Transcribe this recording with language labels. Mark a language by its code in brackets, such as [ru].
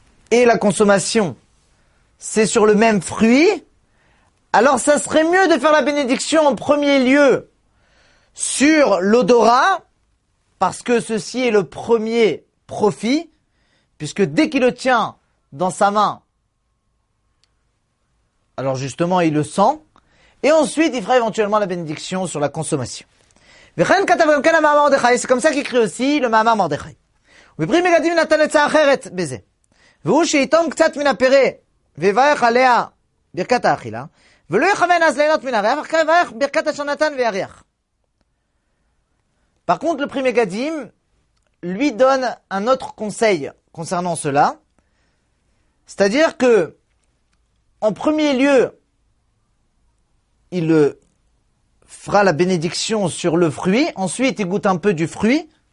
[fr] et la consommation, c'est sur le même fruit, alors ça serait mieux de faire la bénédiction en premier lieu sur l'odorat, parce que ceci est le premier profit, puisque dès qu'il le tient dans sa main, alors justement il le sent, et ensuite il fera éventuellement la bénédiction sur la consommation. C'est comme ça qu'il écrit aussi le Mahamar Mordechai. [he] ובפרי מגדים נתן לצע אחרת בזה. והוא שאיתום קצת מן הפרה ויברך עליה ברכת האכילה, ולא יכוון אז ליהנות מן הריח, אך יברך ברכת אשר נתן ויריח. [fr] Par contre, le prix Megadim lui donne un autre conseil concernant cela. C'est-à-dire que, en premier lieu, il le fera la bénédiction sur le fruit, ensuite il goûte un peu du fruit.